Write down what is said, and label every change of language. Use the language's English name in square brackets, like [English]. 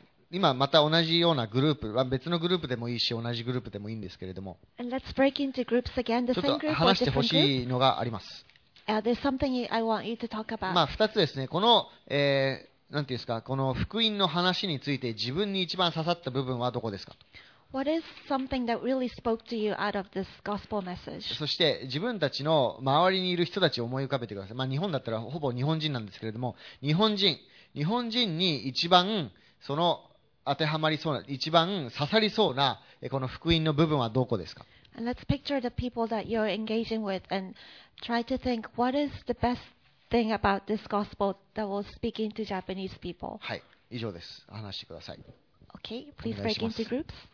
[Japanese] 今また同じようなグループ、別のグループでもいいし、同じグループでもいいんですけれども、 [English] And let's break into groups again. The same group or different [Japanese] ちょっと話してほしいのがあります。 [English] There's something I want you to talk about. [Japanese] まあ、2つですね。この、なんていうんですか、この福音の話について自分に一番刺さった部分はどこですか？ [English] What is something that really spoke to you out of this gospel message? [Japanese] そして自分たちの周りにいる人たちを思い浮かべてください。まあ、日本だったらほぼ日本人なんですけれども、日本人に一番その当てはまりそうな、一番刺さりそうなこの福音の部分はどこですか？ [English] And let's picture the people that you're engaging with and try to think what is the best thing about this gospel that will speak into Japanese people. [Japanese] はい、以上です。話してください。 [English] Okay, please break into groups.